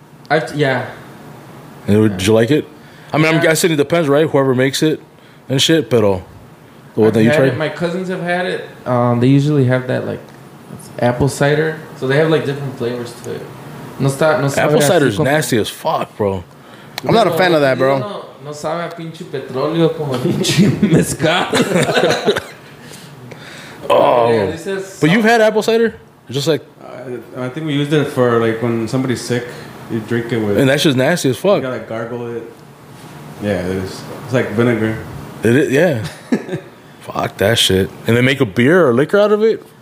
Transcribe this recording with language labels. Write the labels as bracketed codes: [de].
[en] Yeah. And would, yeah. Did you like it? I mean, yeah. I'm guessing it depends, right? Whoever makes it and shit, [es] pero... [en] What that you tried? My cousins have had it. They usually have that, like, apple cider. So they have, like, different flavors to it. Apple cider is nasty as fuck, bro. I'm not a fan of that, bro. [es] No sabe a pinche petróleo como pinche mezcal. [en] Oh, yeah, but you've had apple cider? Just like I think we used it for like when somebody's sick, you drink it with. And that's just nasty as fuck. You gotta gargle it. Yeah, it's like vinegar. It is, yeah. Fuck that shit. And they make a beer or liquor out of it?